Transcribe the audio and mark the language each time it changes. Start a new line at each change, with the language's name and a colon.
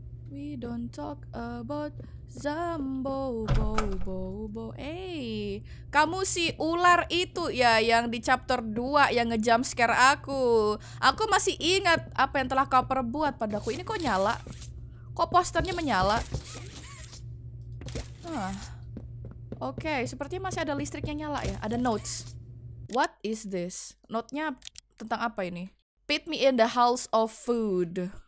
English: We don't talk about Zambo.
Indonesian: Hey, kamu si ular itu ya yang di chapter 2 yang ngejumpscare aku. Aku masih ingat apa yang telah kau perbuat padaku. Ini kok nyala? Kok posternya menyala? Okay, sepertinya masih ada listrik yang nyala ya. Ada notes.
English: What is this?
Indonesian: Note-nya tentang apa ini?
English: Pit me in the house of food.